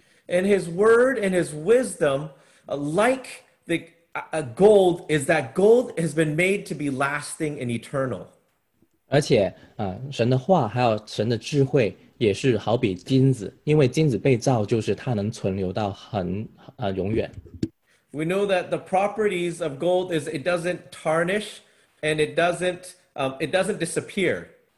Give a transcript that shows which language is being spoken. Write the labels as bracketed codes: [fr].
[en] And his word and his wisdom, like the gold, is that gold has been made to be lasting and eternal. [zh] 而且, 神的话, 还有神的智慧, 也是好比金子, 因为金子被造, 就是它能存留到很, 永远。 [en] We know that the properties of gold is it doesn't tarnish and it doesn't disappear.